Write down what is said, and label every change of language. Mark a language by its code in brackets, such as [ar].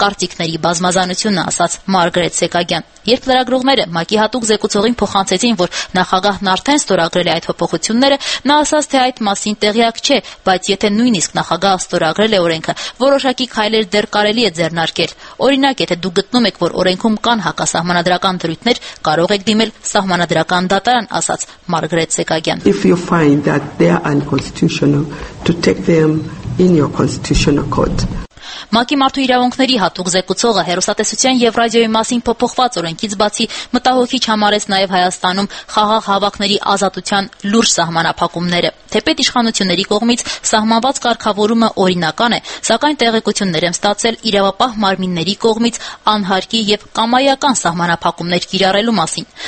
[hy] տիկների բազմազանությունը, ասաց Մարգրետ Սեկագյան։ Երբ լրագրողները ՄԱԿ-ի հատուկ զեկուցողին փոխանցեցին, որ նախագահն արդեն ստորագրել է այդ փոփոխությունները, նա ասաց, թե այդ մասին տեղյակ չէ, բայց եթե նույնիսկ նախագահը ստորագրել է օրենքը, որոշակի քայլեր դեռ կարելի է ձեռնարկել։ Օրինակ, եթե դու գտնում եք, որ օրենքում կան հակասահմանադրական դրույթներ, կարող եք դիմել սահմանադրական դատարան, ասաց Մարգրետ Սեկագյան։ [en] If you find that they are unconstitutional, to take them in your constitutional court. [hy] ՄԱԿ-ի մարդու իրավունքների հատուկ զեկուցողը հեռուստատեսության և ռադիոյի մասին փոփոխված օրենքից բացի մտահոգիչ համարեց նաև Հայաստանում խաղաղ հավաքների ազատության լուրջ սահմանափակումները։ Թեպետ իշխանությունների կողմից սահմանված կարգավորումը օրինական է, սակայն տեղեկություններ եմ ստացել իրավապահ մարմինների կողմից անհարկի և կամայական սահմանափակումներ կիրառելու մասին։